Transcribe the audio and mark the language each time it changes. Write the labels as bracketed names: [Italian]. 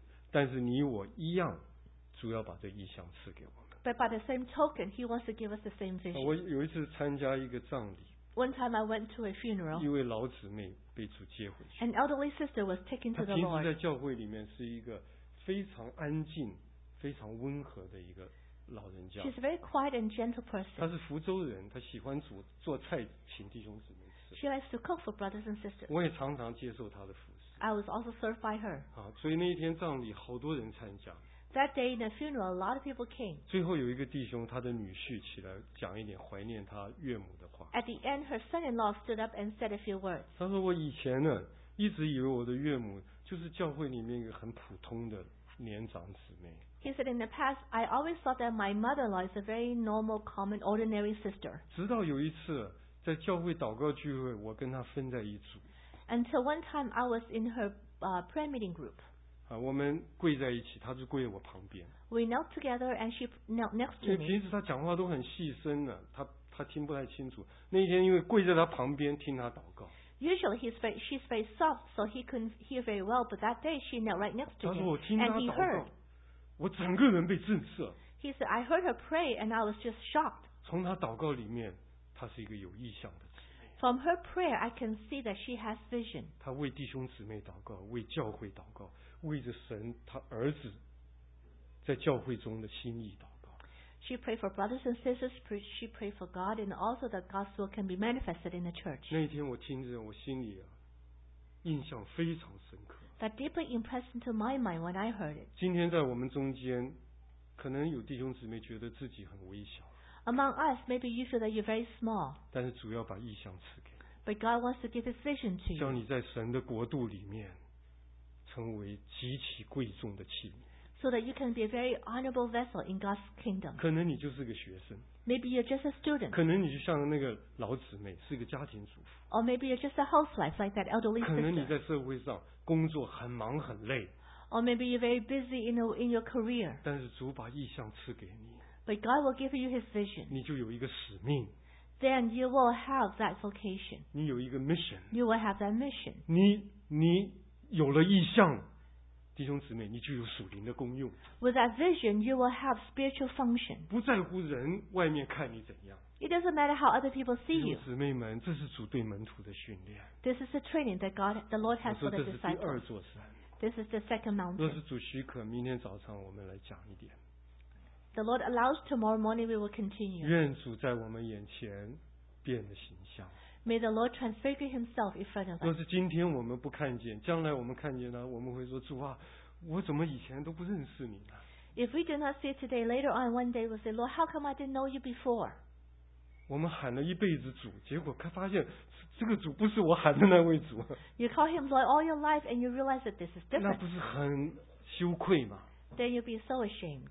[Chinese] 但是你我一样，主要把这意象赐给我们。 [English] But by the same token, He wants to give us the same vision. [Chinese] 我有一次参加一个葬礼。 [English] One time I went to a funeral. [Chinese] 一位老姊妹被主接回去。 [English] An elderly sister was taken to the Lord. [Chinese] 她平时在教会里面是一个非常安静、非常温和的一个老人家。 [English] She's a very quiet and gentle person. [Chinese] 她是福州人，她喜欢煮做菜，请弟兄姊妹吃。 [English] She likes to cook for brothers and sisters. [Chinese] 我也常常接受她的服侍。 [English] I was also served by her. [Chinese] 好，所以那一天葬礼好多人参加。 [English] That day in the funeral, a lot of people came. [Chinese] 最后有一个弟兄，他的女婿起来讲一点怀念他岳母的话。 [English] At the end, her son-in-law stood up and said a few words. [Chinese] 他说：“我以前呢，一直以为我的岳母就是教会里面一个很普通的。” 年长姊妹。 [English] He said in the past, I always thought that my mother-in-law is a very normal, common, ordinary sister. [Chinese] 直到有一次在教会祷告聚会，我跟她分在一组。 [English] Until one time I was in her prayer meeting group. [Chinese] 我们跪在一起，她就跪在我旁边。 [English] We knelt together and she knelt next to me. [Chinese] 因为平时她讲话都很细声的，她他听不太清楚。那一天因为跪在他旁边听他祷告。 [English] Usually his face, she's very soft, so he couldn't hear very well. But that day, she knelt right next to him. [Chinese] 他说我听他祷告。 [English] And he heard. [Chinese] 我整个人被震慑。 [English] He said, "I heard her pray, and I was just shocked." [Chinese] 从他祷告里面，他是一个有异象的。 [English] From her prayer, I can see that she has vision. [Chinese] 她为弟兄姊妹祷告，为教会祷告，为着神她儿子在教会中的心意祷告。 [English] She prayed for brothers and sisters. She prayed for God, and also that God's will can be manifested in the church. [Chinese] 那天我听着，我心里啊，印象非常深刻。 [English] That deeply impressed into my mind when I heard it. [Chinese] 今天在我们中间，可能有弟兄姊妹觉得自己很微小。 [English] Among us, maybe you feel that you're very small. [Chinese] 但是主要把异象赐给。 [English] But God wants to give His vision to you. [Chinese] 叫你在神的国度里面，成为极其贵重的器皿。 [English] So that you can be a very honorable vessel in God's kingdom. [Chinese] 可能你就是个学生。 [English] Maybe you're just a student. [Chinese] 可能你就像那个老姊妹，是个家庭主妇。 [English] Or maybe you're just a housewife like that elderly sister. [Chinese] 可能你在社会上工作很忙很累。 [English] Or maybe you're very busy in your career. [Chinese] 但是主把异象赐给你。 [English] But God will give you His vision. [Chinese] 你就有一个使命。 [English] Then you will have that vocation. [Chinese] 你有一个 mission. [English] You will have that mission. [Chinese] 你有了异象，弟兄姊妹，你就有属灵的功用。 [English] With that vision, you will have spiritual function. [Chinese] 不在乎人外面看你怎样。 [English] It doesn't matter how other people see you. [Chinese] 弟兄姊妹们，这是主对门徒的训练。 [English] This is the training that God, the Lord has for the disciples. [Chinese] 这是第二座山。 [English] This is the second mountain. [Chinese] 若是主许可，明天早上我们来讲一点。 [English] The Lord allows tomorrow morning we will continue. [Chinese] 愿主在我们眼前变了形象。 [English] May the Lord transfigure Himself in front of us. [Chinese] 若是今天我们不看见，将来我们看见了，我们会说主啊，我怎么以前都不认识你呢？ [English] If we do not see today, later on one day we'll say, Lord, how come I didn't know you before? [Chinese] 我们喊了一辈子主，结果发现这个主不是我喊的那位主。 [English] You call Him Lord all your life and you realize that this is different. [Chinese] 那不是很羞愧吗？ [English] Then you'll be so ashamed.